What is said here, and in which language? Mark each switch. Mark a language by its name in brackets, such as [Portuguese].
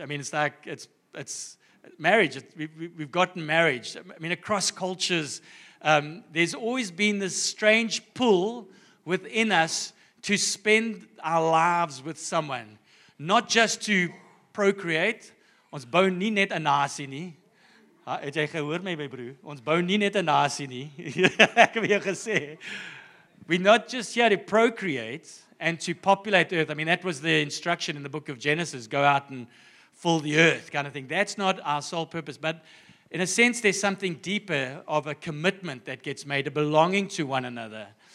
[English] I mean, it's like, it's marriage, we've gotten marriage. I mean, across cultures, there's always been this strange pull within us to spend our lives with someone, not just to procreate. [Afrikaans] Ons bou nie net 'n nasie nie. Het jy gehoor my, my broer? Ons bou nie net 'n nasie nie. Ek het jou gesê. [English] We're not just here to procreate and to populate the earth. I mean, that was the instruction in the book of Genesis, go out and fill the earth kind of thing. That's not our sole purpose. But in a sense, there's something deeper of a commitment that gets made, a belonging to one another.